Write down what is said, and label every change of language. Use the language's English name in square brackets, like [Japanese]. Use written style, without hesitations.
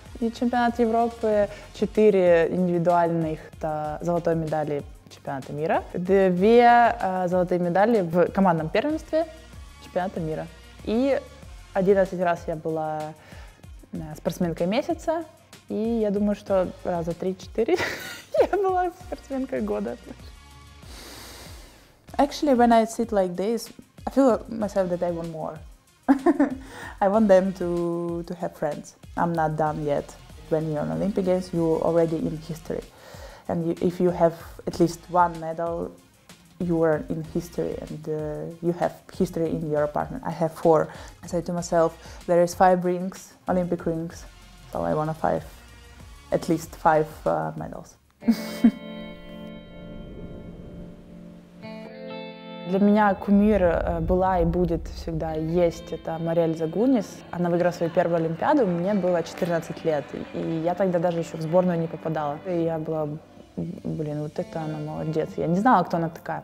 [Russian] И чемпионат Европы, 4 индивидуальных золотой медали чемпионата мира, 2 золотые медали в командном первенстве чемпионата мира. И 11 раз я была спортсменкой месяца, и я думаю, что раза 3-4 я была спортсменкой года. [English] Actually, when I sit like this, I feel myself that I want more. I want them to have friends. I'm not done yet. When you're on Olympic Games, you're already in history. And you, if you have at least one medal, you are in history, and you have history in your apartment. I have 4. I say to myself, there is 5 rings, Olympic rings, so I want at least five medals. [Russian] Для меня кумир была и будет всегда есть, это Мариэль Загунис. Она выиграла свою первую Олимпиаду, мне было 14 лет, и я тогда даже еще в сборную не попадала. И я была, блин, вот это она молодец, я не знала, кто она такая.